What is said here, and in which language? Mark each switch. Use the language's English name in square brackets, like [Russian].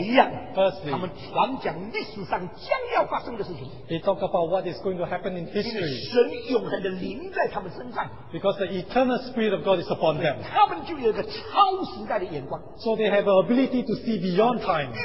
[Chinese] 一样, [English] firstly, [Chinese] 他们传讲历史上将要发生的事情, [English] they talk about what is going to happen in history. [Chinese] 因为神永恒的灵在他们身上, [English] because the eternal spirit of God is upon them. [Chinese] 他们就有一个超时代的眼光, [English] so they have an ability to see beyond time.